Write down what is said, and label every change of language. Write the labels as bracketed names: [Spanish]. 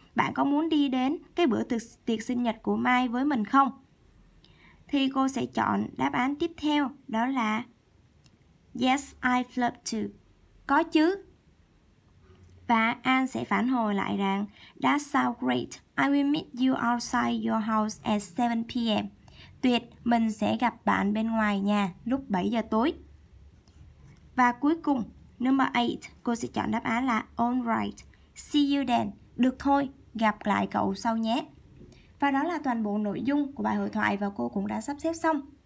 [Vietnamese] Bạn có muốn đi đến cái bữa tiệc sinh nhật của Mai với mình không? Thì cô sẽ chọn đáp án tiếp theo đó là [English] Yes, I'd love to. [Vietnamese] Có chứ. Và Anne sẽ phản hồi lại rằng [English] That sounds great. I will meet you outside your house at 7 p.m. [Vietnamese] Tuyệt, mình sẽ gặp bạn bên ngoài nhà lúc 7 giờ tối. Và cuối cùng, number 8, cô sẽ chọn đáp án là [English] All right, see you then. [Vietnamese] Được thôi, gặp lại cậu sau nhé. Và đó là toàn bộ nội dung của bài hội thoại và cô cũng đã sắp xếp xong.